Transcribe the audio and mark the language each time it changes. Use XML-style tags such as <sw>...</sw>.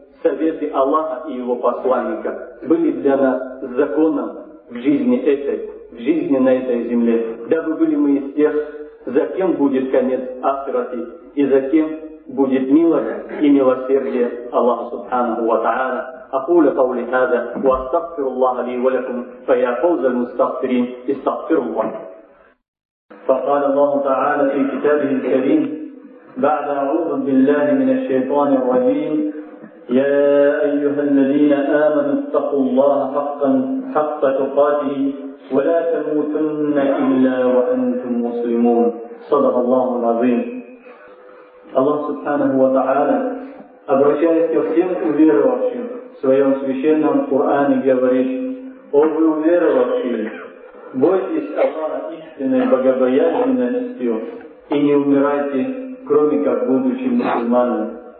<ru>советы Аллаха и его посланника были для нас законом в жизни этой, в жизни на этой земле, дабы были мы из тех, за кем будет конец ахирати и за кем будет милость и милосердие Аллаха Субханаху ва Та'аля.</ru> <ar>أقول قولي هذا وأستغفر الله لي ولكم فيا فوز المستغفرين استغفر الله. فقال الله تعالى في كتابه الكريم بعد أعوذ بالله من الشيطان الرجيم: يا أيها الذين آمنوا اتقوا الله حق تقاته ولا تموتن إلا وأنتم مسلمون. صدق الله العظيم. الله سبحانه وتعالى</ar> <ru>обращаясь ко всем уверовавшим в своем священном Коране, говорит: «О вы уверовавшие, бойтесь Аллаха истинной богобоязненностью и не умирайте, кроме как будучи мусульманами».</ru>